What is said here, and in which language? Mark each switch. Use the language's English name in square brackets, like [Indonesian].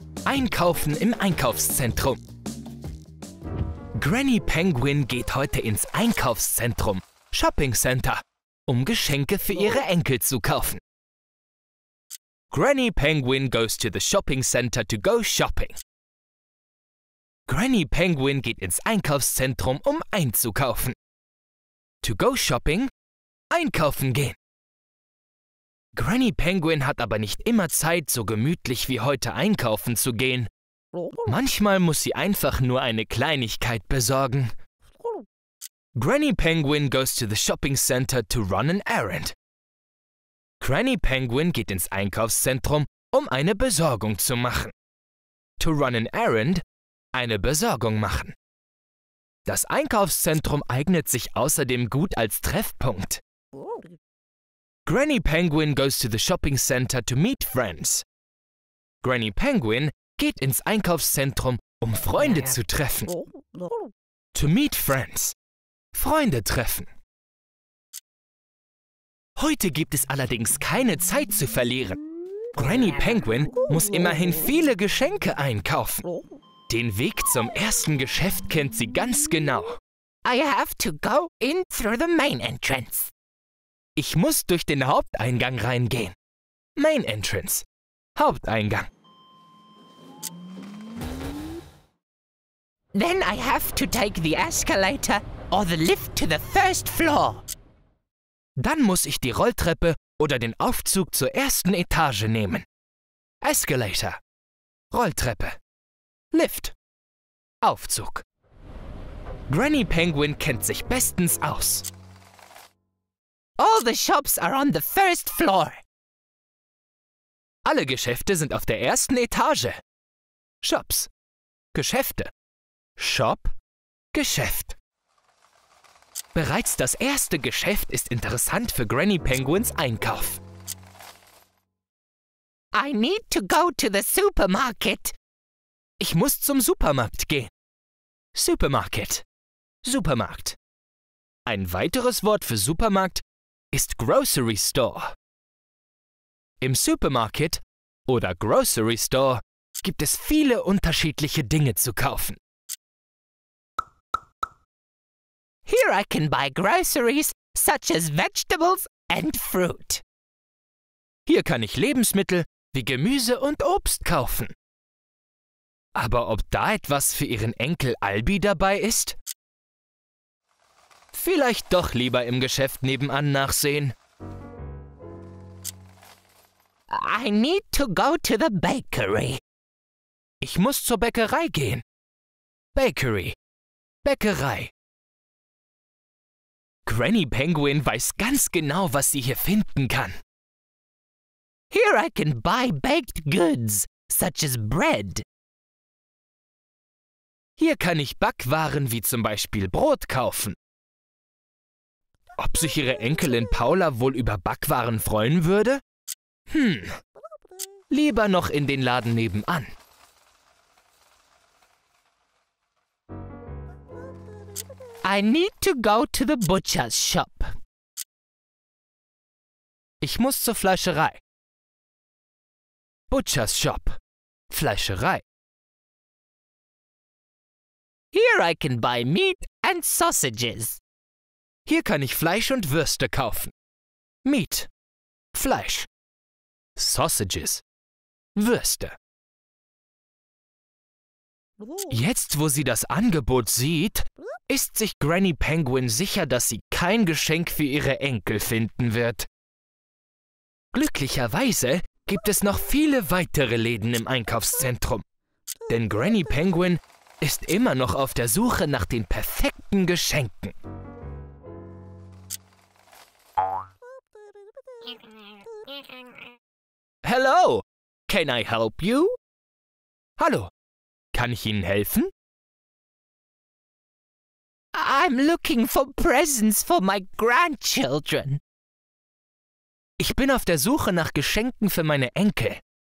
[German] Einkaufen im Einkaufszentrum. Granny Penguin geht heute ins Einkaufszentrum, Shopping Center, um Geschenke für ihre Enkel zu kaufen. [English] Granny Penguin goes to the shopping center to go shopping. [German] Granny Penguin geht ins Einkaufszentrum, um einzukaufen. [English] To go shopping, [German] einkaufen gehen. Granny Penguin hat aber nicht immer Zeit, so gemütlich wie heute einkaufen zu gehen. Manchmal muss sie einfach nur eine Kleinigkeit besorgen. [English] Granny Penguin goes to the shopping center to run an errand. [German] Granny Penguin geht ins Einkaufszentrum, um eine Besorgung zu machen. [English] To run an errand, [German] eine Besorgung machen. Das Einkaufszentrum eignet sich außerdem gut als Treffpunkt. [English] Granny Penguin goes to the shopping center to meet friends. [German] Granny Penguin geht ins Einkaufszentrum, um Freunde zu treffen. [English] To meet friends. [German] Freunde treffen. Heute gibt es allerdings keine Zeit zu verlieren. Granny Penguin muss immerhin viele Geschenke einkaufen. Den Weg zum ersten Geschäft kennt sie ganz genau. [English] I have to go in through the main entrance. [German] Ich muss durch den Haupteingang reingehen. [English] Main entrance. Haupteingang. Then I have to take the escalator or the lift to the first floor. [German] Dann muss ich die Rolltreppe oder den Aufzug zur ersten Etage nehmen. [English] Escalator. Rolltreppe. Lift. Aufzug. [German] Granny Penguin kennt sich bestens aus. [English] All the shops are on the first floor. [German] Alle Geschäfte sind auf der ersten Etage. [English] Shops. Geschäfte. Shop. Geschäft. [German] Bereits das erste Geschäft ist interessant für Granny Penguins Einkauf. [English] I need to go to the supermarket. [German] Ich muss zum Supermarkt gehen. Supermarket. Supermarkt. Ein weiteres Wort für Supermarkt ist Grocery Store. Im Supermarket oder Grocery Store gibt es viele unterschiedliche Dinge zu kaufen. [English] Here I can buy groceries such as vegetables and fruit. [German] Hier kann ich Lebensmittel wie Gemüse und Obst kaufen. Aber ob da etwas für Ihren Enkel Albi dabei ist? Vielleicht doch lieber im Geschäft nebenan nachsehen. [English] I need to go to the bakery. [German] Ich muss zur Bäckerei gehen. Bakery. Bäckerei. Granny Penguin weiß ganz genau, was sie hier finden kann. [English] Here I can buy baked goods, such as bread. [German] Hier kann ich Backwaren wie zum Beispiel Brot kaufen. Ob sich ihre Enkelin Paula wohl über Backwaren freuen würde? Lieber noch in den Laden nebenan. [English] I need to go to the butcher's shop. [German] Ich muss zur Fleischerei. [English] Butcher's shop. Fleischerei. Here I can buy meat and sausages. [German] Hier kann ich Fleisch und Würste kaufen. [English] Meat. Fleisch. Sausages. Würste. [German] Jetzt, wo sie das Angebot sieht, ist sich Granny Penguin sicher, dass sie kein Geschenk für ihre Enkel finden wird. Glücklicherweise gibt es noch viele weitere Läden im Einkaufszentrum. Denn Granny Penguin ist immer noch auf der Suche nach den perfekten Geschenken. [English] Hello, can I help you? [German] Hallo. Kann ich Ihnen helfen? [English] I'm looking for presents for my grandchildren. [German] Ich bin auf der Suche nach Geschenken für meine Enkel.